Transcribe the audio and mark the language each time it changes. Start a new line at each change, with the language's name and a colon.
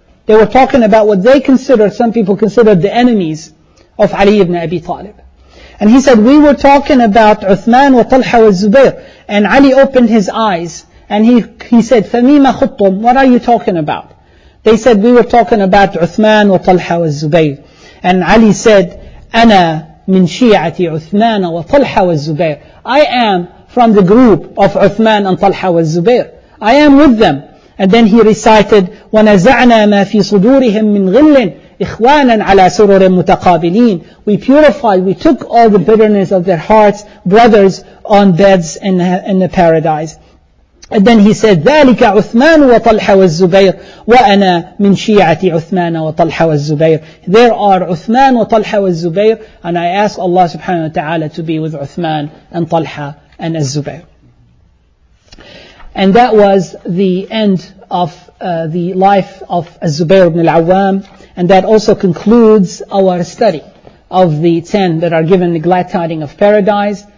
English: They were talking about what they considered, some people considered the enemies of Ali ibn Abi Talib. And he said, we were talking about Uthman, wa Talha, wa Zubayr. And Ali opened his eyes, and he said,
Arabic: فَمِيمَ خُطُّمْ,
English: what are you talking about? They said, we were talking about Uthman, wa Talha, wa Zubayr. And Ali said,
Arabic: أَنَا مِن شِيَعَةِ عُثْمَانَ وَطَلْحَ وَالزُّبَيْرِ.
English: I am from the group of Uthman and Talha wa Zubair. I am with them. And then he recited,
Arabic: وَنَزَعْنَا مَا فِي صُدُورِهِمْ مِنْ غِلٍ إِخْوَانًا عَلَى سُرُرٍ مُتَقَابِلِينَ.
English: We purified, we took all the bitterness of their hearts, brothers on beds in the paradise. And then he said,
Arabic: ذَلِكَ عُثْمَانُ وَطَلْحَ وَالزُّبَيْرِ وَأَنَا مِنْ شِيَعَةِ عُثْمَانَ وَطَلْحَ وَالزُّبَيْرِ.
English: There are Uthman wa Talha wa Zubair, and I ask Allah subhanahu wa ta'ala to be with Uthman and Talha and Az-Zubayr. And that was the end of the life of Az-Zubayr ibn al-Awwam. And that also concludes our study of the 10 that are given the glad tiding of paradise.